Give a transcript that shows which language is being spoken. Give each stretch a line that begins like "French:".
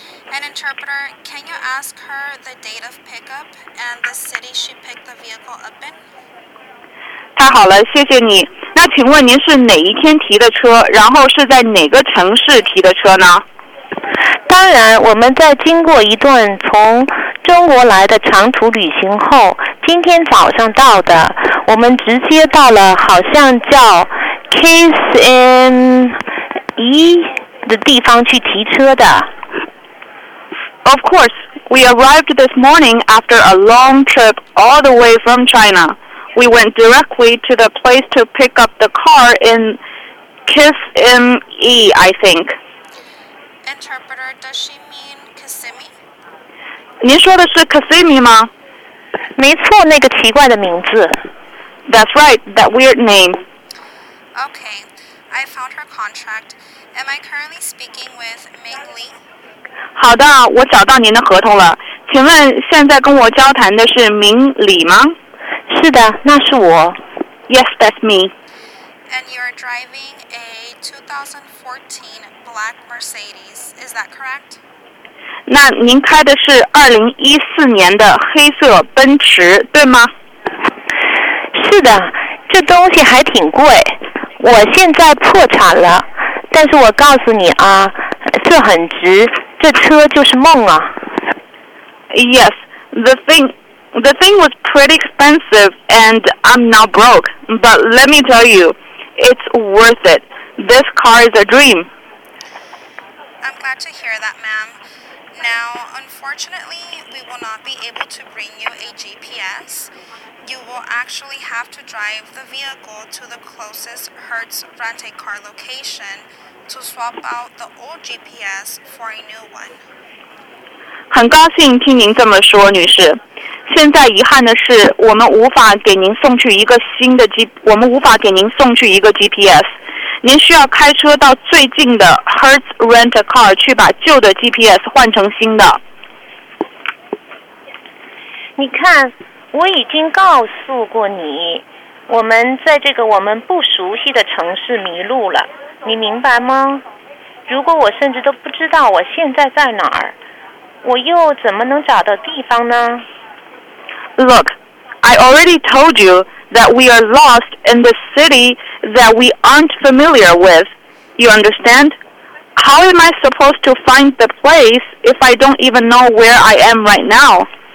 English: An interpreter, can you ask her the date of pickup and the city she picked the vehicle up in?
Chinese: 太好了，谢谢你。那请问您是哪一天提的车，然后是在哪个城市提的车呢？当然，我们在经过一段从中国来的长途旅行后，今天早上到的。我们直接到了，好像叫 KSME 的地方去提车的。
English: Of course, we arrived this morning after a long trip all the way from China. We went directly to the place to pick up the car in Kissimmee, I think. Interpreter, does she mean Kissimmee?
Chinese: 您说的是 Kissimmee 吗？没错，那个奇怪的名字。
English: That's right, that weird name. Okay, I found her contract. Am I currently speaking with Ming Li?
Chinese: 好的，我找到您的合同了。请问现在跟我交谈的是明理吗？是的，那是我。 Yes, that's me.
English: And you're driving a 2014 black Mercedes, is that correct?
Chinese: 那您开的是2014年的黑色奔驰，对吗？是的，这东西还挺贵，我现在破产了，但是我告诉你啊，这很值，这车就是梦啊。
English: Yes, the thing was pretty expensive and I'm not broke, but let me tell you, it's worth it. This car is a dream. I'm glad to hear that, ma'am. Now, unfortunately, we will not be able to bring you a GPS. You will actually have to drive the vehicle to the closest Hertz rent-a-car location to swap out the old GPS for a new one.
Chinese: 很高兴听您这么说，女士。现在遗憾的是，我们无法给您送去一个新的 GPS。您需要开车到最近的 Hertz Rent a Car 去把旧的 GPS 换成新的。你看，我已经告诉过你，我们在这个我们不熟悉的城市迷路了，你明白吗？如果我甚至都不知道我现在在哪儿，我又怎么能找到地方呢？
English: Look, I already told you that we are lost in the city that we aren't familiar with. You understand? How am I supposed to find the place if I don't even know where I am right now?